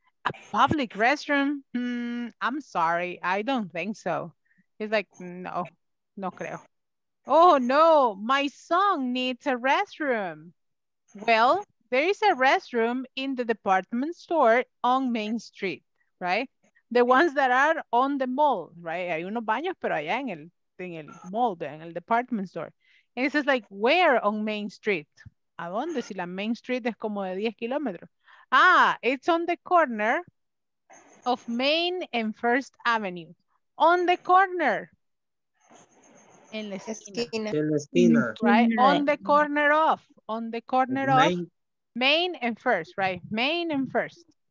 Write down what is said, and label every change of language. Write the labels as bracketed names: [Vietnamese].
[English] A public restroom? I'm sorry, I don't think so. He's like, [Spanish] no, no creo. [English] Oh no, my son needs a restroom. Well, there is a restroom in the department store on Main Street, right? The ones that are on the mall, right? [Spanish] Hay unos baños, pero allá en el mall, en el department store. [English] And it says like, where on Main Street? [Spanish] ¿A dónde? Si la Main Street es como de 10 kilómetros. [English] Ah, it's on the corner of Main and First Avenue. On the corner. [Spanish] En la esquina. En la esquina. [English] Right? On the corner of. On the corner of. Main and First, right? Main and First.